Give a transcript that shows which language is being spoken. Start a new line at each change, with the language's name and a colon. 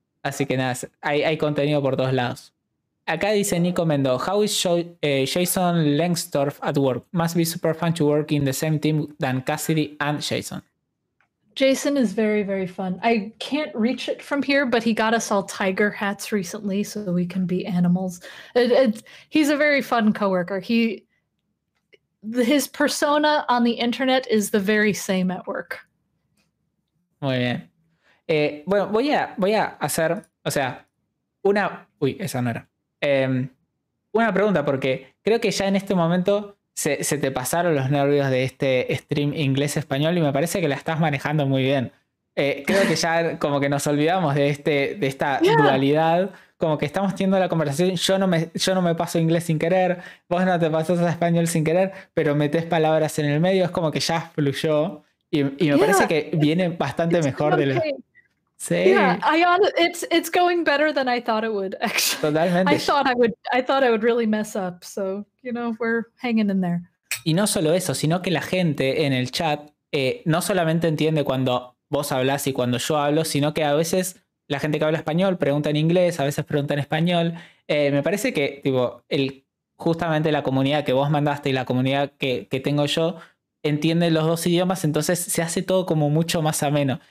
Spanish: Así que nada, hay contenido por todos lados. Acá dice
English: Nico Mendo, how is Jason Langstorff at work? Must be super fun to work in the same team than Cassidy and Jason. Jason is very, very fun. I can't reach it from here, but he got us all tiger hats recently so we can be animals. He's a very fun coworker. His persona on the internet is the very same at work.
Spanish: Muy bien. Bueno, voy a hacer, o sea, una... Uy, esa no era. Una pregunta, porque creo que ya en este momento se te pasaron los nervios de este stream inglés-español y me parece que la estás manejando muy bien. Creo que ya como que nos olvidamos de esta dualidad, como que estamos teniendo la conversación, yo no me paso inglés sin querer, vos no te pasas a español sin querer, pero metés palabras en el medio, es como que ya fluyó y me parece que viene bastante mejor de lo... Sí.
English: Yeah, it's going better than I thought it would, actually.
Spanish: Totalmente.
English: I thought I would really mess up, so, you know, we're hanging in there.
Spanish: Y no solo eso, sino que la gente en el chat no solamente entiende cuando vos hablas y cuando yo hablo, sino que a veces la gente que habla español pregunta en inglés, a veces pregunta en español. Me parece que, tipo, justamente la comunidad que vos mandaste y la comunidad que tengo yo entienden los dos idiomas, entonces se hace todo como mucho más ameno.